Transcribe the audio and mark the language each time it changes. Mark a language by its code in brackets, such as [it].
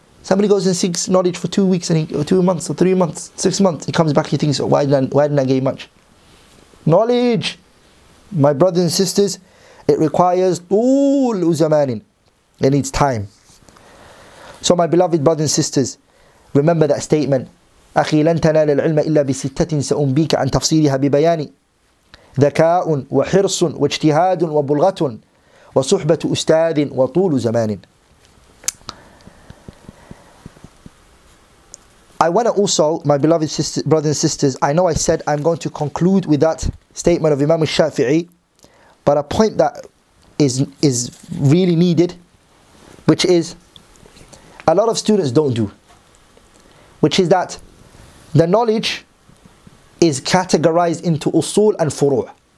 [en] Somebody goes and seeks knowledge for 2 weeks, and or 2 months, or 3 months, 6 months. He comes back, he thinks, why didn't I gain much? Knowledge, my brothers and sisters, it requires [ar] طُولُ زَمَانٍ. [en] It needs time. So my beloved brothers and sisters, remember that statement. [ar] أَخِي لَن تَنَالَ الْعِلْمَ إِلَّا بِسِتَّةٍ سَأُنْبِيكَ عَنْ تَفْصِيلِهَا بِبَيَانِ ذكاء وحرص واجتهاد وبلغة وصحبة أستاذ وطول زمان. [en] I want to also, my beloved sister, brothers and sisters, I know I said I'm going to conclude with that statement of Imam al-Shafi'i, but a point that is really needed, which is a lot of students don't do, which is that the knowledge is categorized into usul and furu'.